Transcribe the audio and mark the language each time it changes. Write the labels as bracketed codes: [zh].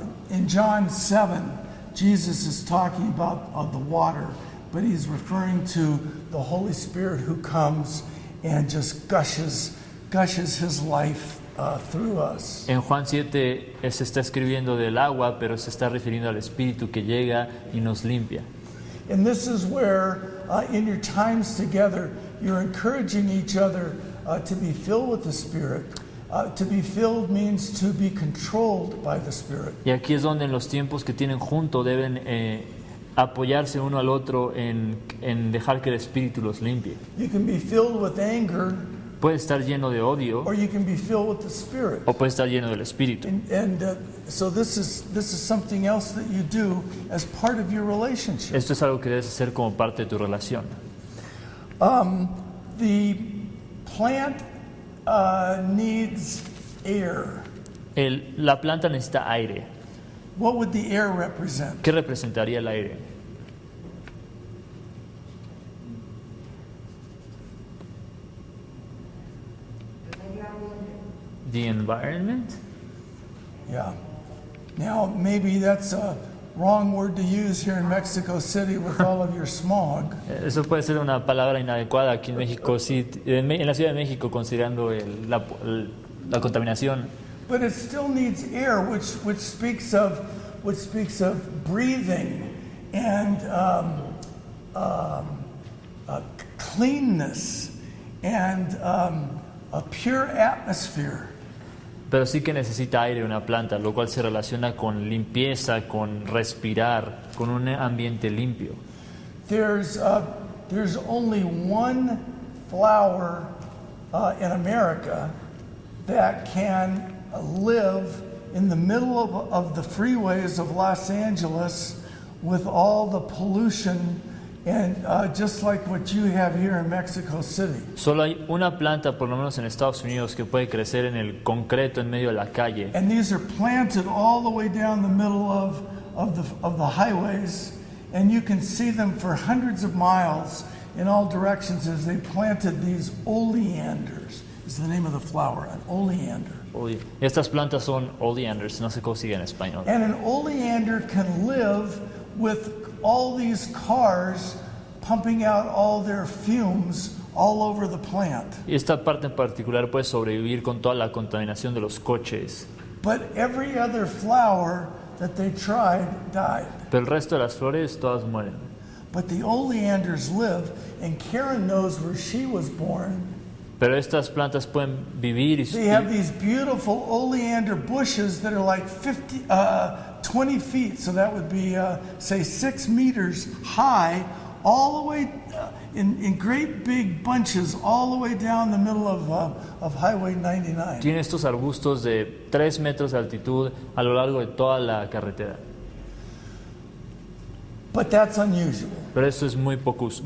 [en] In John 7, Jesus is talking about the water, but he's referring to the Holy Spirit who comes and just gushes his life. Through us. [es] En Juan 7 se está escribiendo del agua, pero se está refiriendo al Espíritu que llega y nos limpia. [en] And this is where, in your times together, you're encouraging each other to be filled with the Spirit. To be filled means to be controlled by the Spirit. [es] Y aquí es donde en los tiempos que tienen junto deben apoyarse uno al otro en dejar que el Espíritu los limpie. [en] You can be filled with anger. [es] Puede estar lleno de odio. [en] Or you can be filled with the Spirit. [es] O puede estar lleno del Espíritu. [en] So this is something else that you do as part of your relationship. [es] Esto es algo que debes hacer como parte de tu relación. [en] The plant needs air. [es] La planta necesita aire. [en] What would the air represent? [es] ¿Qué representaría el aire? [en] The environment? Yeah. Now, maybe that's a wrong word to use here in Mexico City with all of your smog. [es] Eso puede ser una palabra inadecuada aquí en México, sí, en la Ciudad de México, considerando la contaminación. [en] But it still needs air, which speaks of which speaks of breathing and cleanness and a pure atmosphere. [es] Pero sí que necesita aire una planta, lo cual se relaciona con limpieza, con respirar, con un ambiente limpio. [en] There's only one flower in America that can live in the middle of the freeways of Los Angeles with all the pollution and just like what you have here in Mexico City. [es] Solo hay una planta, por lo menos en Estados Unidos, que puede crecer en el concreto en medio de la calle. [en] And these are planted all the way down the middle of the highways, and you can see them for hundreds of miles in all directions as they planted these oleanders. Is the name of the flower an oleander? [es] Estas plantas son oleanders, no sé cómo se dice en español. [en] And an oleander can live with all these cars pumping out all their fumes all over the plant. [es] Y esta parte en particular puede sobrevivir con toda la contaminación de los coches. [en] But every other flower that they tried died. [es] Pero el resto de las flores todas mueren. [en] But the oleanders live, and Karen knows where she was born. [es] Pero estas plantas pueden vivir y [en] they have these beautiful oleander bushes that are like 20 feet, so that would be say 6 meters high, all the way in great big bunches all the way down the middle of Highway 99. [es] Tiene estos arbustos de 3 metros de altitud a lo largo de toda la carretera. [en] But that's unusual. [es] Pero eso es muy poco usual.